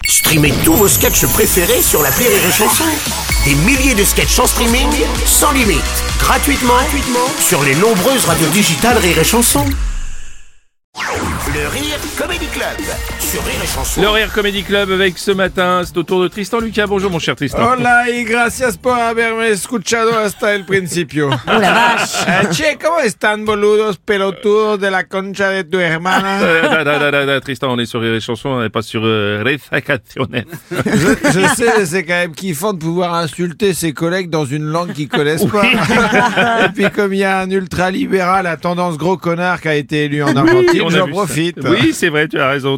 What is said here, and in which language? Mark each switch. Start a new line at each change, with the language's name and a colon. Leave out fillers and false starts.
French: Streamez tous vos sketchs préférés sur l'appli Rire et Chanson. Des milliers de sketchs en streaming, sans limite, gratuitement, sur les nombreuses radios digitales Rire et Chanson. Le Rire Comedy Club sur Rire et Chanson. Le Rire Comedy Club avec ce matin, c'est au tour de Tristan Lucas. Bonjour mon cher Tristan.
Spanish: Hola y gracias por haberme escuchado hasta el principio.
French: Oh la vache.
Spanish: Che, ¿cómo están boludos pelotudos de la concha de tu hermana?
French: Tristan, on est sur Rire et Chanson, on n'est pas sur Réfacationnel. Je sais, c'est quand même kiffant de pouvoir insulter ses collègues dans une langue qu'ils connaissent pas. Et puis comme il y a un ultra-libéral à tendance gros connard qui a été élu en Argentine, oui, j'en profite. Ça. Oui, c'est vrai, tu as raison.